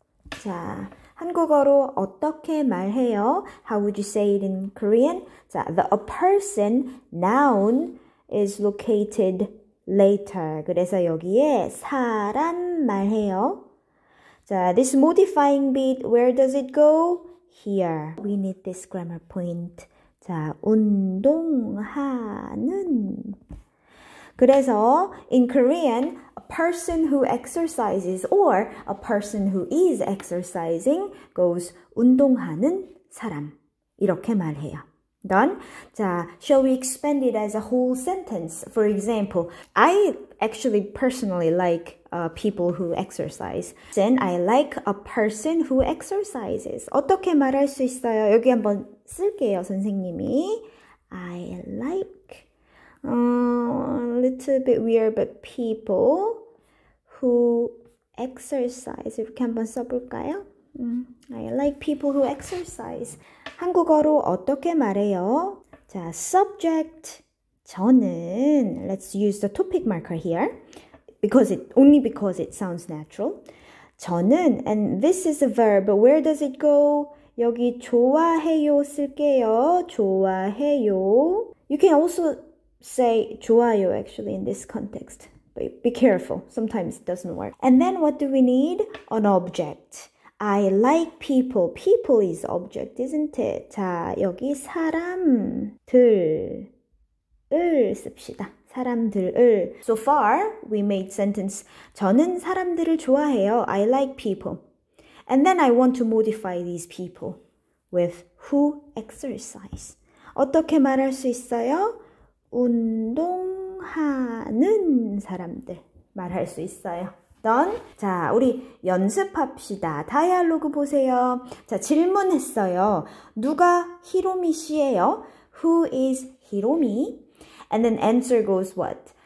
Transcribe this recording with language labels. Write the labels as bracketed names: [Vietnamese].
[Korean] 자, 한국어로 어떻게 말해요? [English] How would you say it in Korean? 자, a person, noun, is located later. [Korean] 그래서 여기에 사람 말해요. [English] 자, this modifying bit, where does it go? Here. We need this grammar point. 자, 운동하는. 그래서 in Korean, a person who exercises or a person who is exercising goes [Korean] 운동하는 사람. 이렇게 말해요. [English] Done? 자, shall we expand it as a whole sentence? For example, I actually personally like people who exercise. Then I like a person who exercises. [Korean] 어떻게 말할 수 있어요? 여기 한번 쓸게요, 선생님이. [English] I like a little bit weird, but people who exercise. [Korean] 이렇게 한번 써볼까요? [English] I like people who exercise. [Korean] 한국어로 어떻게 말해요? [English] 자, subject. 저는, let's use the topic marker here. Because it, only because it sounds natural. 저는, and this is a verb, but where does it go? [Korean] 여기 좋아해요 쓸게요. 좋아해요. [English] You can also say 좋아요 actually in this context. But be careful. Sometimes it doesn't work. And then what do we need? An object. I like people. People is object, isn't it? [Korean] 자, 여기 사람들을 씁시다. [English] 사람들을. So far, we made sentence. [Korean] 저는 사람들을 좋아해요. [English] I like people. And then I want to modify these people with who exercise. [Korean] 어떻게 말할 수 있어요? 운동하는 사람들 말할 수 있어요. Done? 자, 우리 연습합시다. 다이얼로그 보세요. 자, 질문했어요. 누가 히로미 씨예요? [English] Who is 히로미? And then answer goes what?